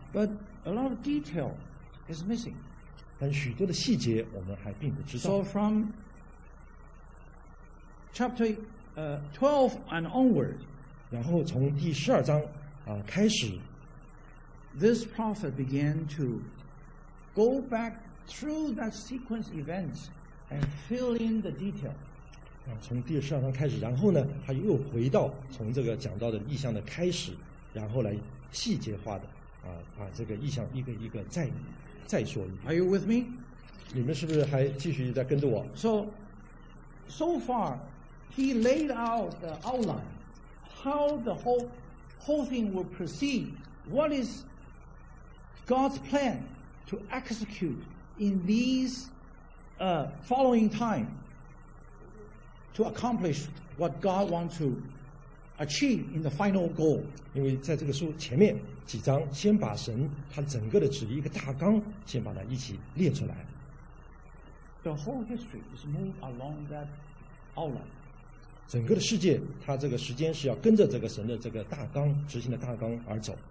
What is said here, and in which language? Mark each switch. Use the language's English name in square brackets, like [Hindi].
[English] But a lot of detail is missing. [Chinese] 但许多的细节我们还并不知道。 [English] So from chapter 12 and onward, [Chinese] 然后从第十二章开始 [English] ，this prophet began to go back through that sequence events and fill in the detail. [Chinese] 从第十二章开始，然后呢，他又回到从这个讲到的意象的开始，然后来细节化的把这个意象一个一个再。再说一遍 [English] Are you with me? [Chinese] 你们是不是还继续在跟着我 [English] So far he laid out the outline how the whole thing will proceed what is God's plan to execute in these following time to accomplish what God wants to achieve in the final goal [Chinese] 因为在这个书前面几章先把神他整个的旨意一个大纲先把它一起列出来 [English] The whole history is moved along that outline [Chinese] 整个的世界他这个时间是要跟着这个神的这个大纲执行的大纲而走